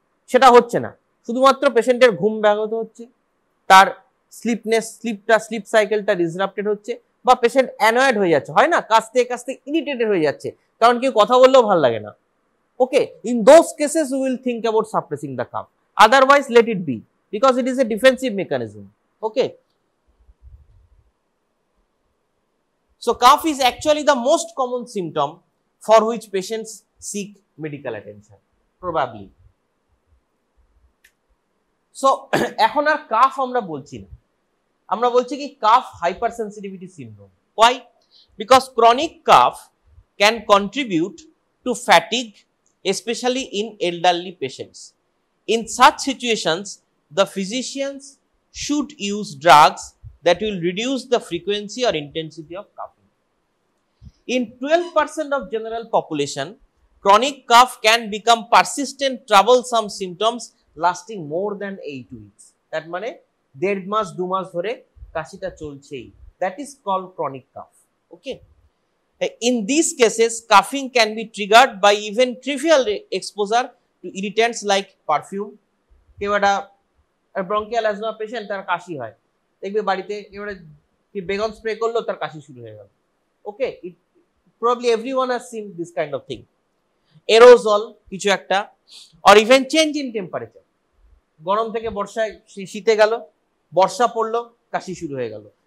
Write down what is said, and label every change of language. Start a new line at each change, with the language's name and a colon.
Bangla: seta hocche na shudhumatro patient er ghum byaghato hocche tar sleepness sleep ta sleep cycle ta disrupted hocche বা patient annoyed হয়ে যাচ্ছে, হয় না, কাস্তে কাস্তে ইরিটেটেড হয়ে যাচ্ছে কারণ কেউ কথা বললেও ভালো লাগে না, ওকে,
English: in those cases will think about suppressing the cough, otherwise let it be because it is a defensive mechanism,
Bangla: okay.
English: So cough is actually the most common symptom for which patients seek medical attention probably.
Bangla: So এখন আর calf আমরা বলছি না, আমরা বলছি কি
English: Calf hyper sensitivity syndrome, Y, because chronic calf can contribute to fatigue especially in elderly patients, in such situations the physicians should use drugs that will reduce the frequency or intensity of কাফিং। In 12% of general population chronic calf can become persistent travel some symptoms lasting more than 8 weeks, that
Bangla: মানে দেড় মাস দু মাস ধরে কাশিটা চলছেই,
English: That is call chronic cough, okay. In these cases, coughing can be triggered by even trivial exposure to irritants like perfume.
Bangla: কেউ একটা bronchial asthma patient, তার কাশি হয়, দেখবে বাড়িতে এবারে কি বেগন স্প্রে করলো, তার কাশি শুরু হয়ে গেল.
English: Okay, it probably every one has seen this kind of thing.
Bangla: এরোজল কিছু একটা,
English: or even change in temperature,
Bangla: গরম থেকে বর্ষায় শীতে গেল, বর্ষা পড়লো, কাশি শুরু হয়ে গেল.